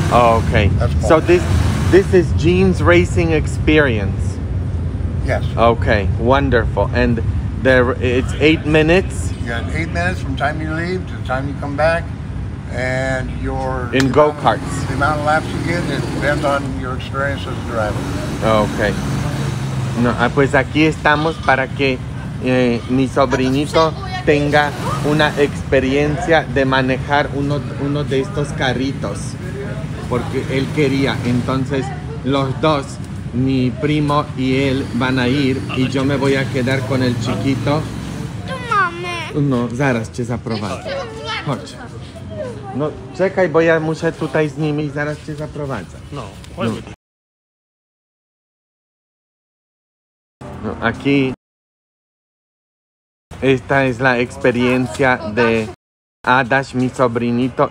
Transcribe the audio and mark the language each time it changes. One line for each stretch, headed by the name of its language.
English: Oh, okay. That's so this is Gene's racing experience. Yes. Okay, wonderful. And it's 8 minutes. You got 8 minutes from time you leave to the time you come back, and your in go karts. The amount of laps you get, it depends on your experience as a driver. Okay.
Spanish: No, pues aquí estamos para que mi sobrinito tenga una experiencia de manejar uno de estos carritos, porque él quería. Entonces, los dos, mi primo y él, van a ir y yo me voy a quedar con el chiquito.
Polish: No, zaraz cię zaprowadzę. Chodź. No, czekaj, bo ja muszę tutaj z nimi i zaraz cię zaprowadzę. No, chodźmy.
Spanish: No, aquí esta es la experiencia de Adash, mi sobrinito.